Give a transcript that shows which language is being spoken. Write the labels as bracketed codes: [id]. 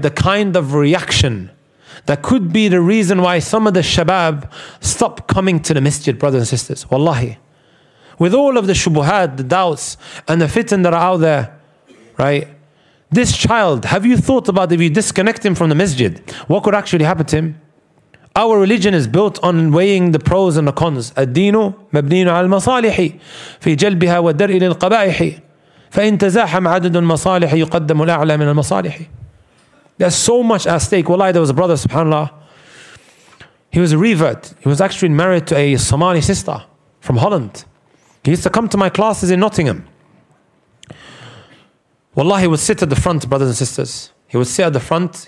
[en] The kind of reaction that could be the reason why some of the shabab stop coming to the masjid, brothers and sisters. Wallahi. With all of the shubuhat, the doubts, and the fitan that are out there, right? This child, have you thought about if you disconnect him from the masjid, what could actually happen to him? Our religion is built on weighing the pros and the cons. [ar] الدينُ مبنيٌ على المصالحِ في جلبها ودرءِ للقبائحِ فإن تزاحم عدد المصالحِ يقدم الأعلى من المصالحِ. [en] There's so much at stake. Wallahi, there was a brother, subhanAllah. He was a revert. He was actually married to a Somali sister from Holland. He used to come to my classes in Nottingham. Wallahi, he would sit at the front, brothers and sisters. He would sit at the front.